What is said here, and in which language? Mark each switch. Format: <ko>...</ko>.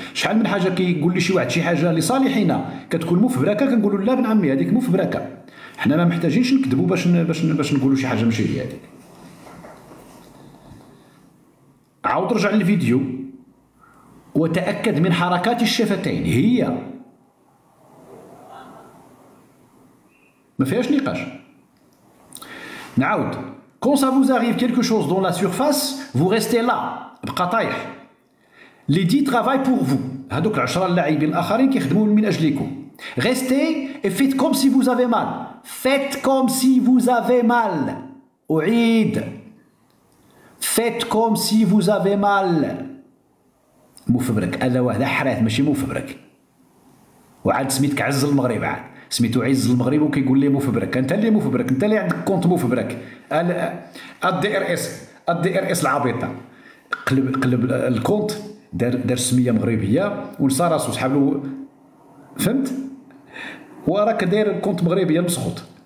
<ar>شحال من حاجه كيقول لي شي واحد شي حاجه لصالحنا كتكون مفركه كنقول له لا ابن عمي هذيك مفركه حنا ما محتاجينش نكذبوا باش باش باش نقولوا شي حاجه ماشي هي هذيك. عاود رجع للفيديو وتاكد من حركات الشفتين هي ما فيهاش نقاش. نعاود</ar> <fr>Quand ça vous arrive quelque chose dans la surface, vous restez là.</fr> <ar>بقطايح.</ar> <fr>Les 10 travaillent pour vous.</fr> <ar>هذوك 10 اللاعبين الاخرين كيخدموا من اجلكم.</ar> <fr>Restez et faites comme si vous avez mal. Faites comme si vous avez mal.</fr> <ar>أعيد.</ar> <fr>Faites comme si vous avez mal.</fr> <ar>مو في برك، هذا واحد حراث ماشي مو في برك. وعاد سميتك عز المغرب عاد. سميتو عز المغرب وكيقول لي مو في برك، انت اللي مو في برك، انت اللي عندك كونت مو في برك. الدي ار اس العبيطه. قلب الكونت دار سميه مغربيه ونسى راسو سحب له فهمت؟ وراك داير كونت مغربيه المسخوط.</ar>